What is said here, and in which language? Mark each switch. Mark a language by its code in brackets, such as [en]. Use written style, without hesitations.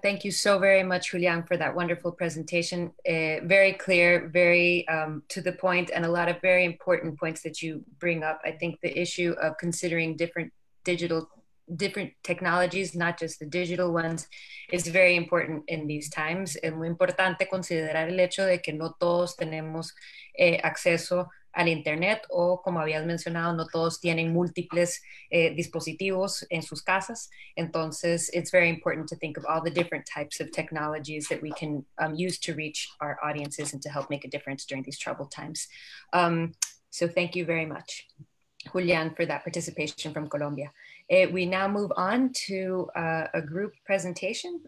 [en] Thank you so very much, Julián, for that wonderful presentation. Very clear, very to the point, and a lot of very important points that you bring up. I think the issue of considering different technologies, not just the digital ones, is very important in these times. [es] Es muy importante considerar el hecho de que no todos tenemos acceso al internet, o como habías mencionado, no todos tienen múltiples dispositivos en sus casas. [en] Entonces, it's very important to think of all the different types of technologies that we can use to reach our audiences and to help make a difference during these troubled times. So thank you very much, Julián, for that participation from Colombia. We now move on to a group presentation.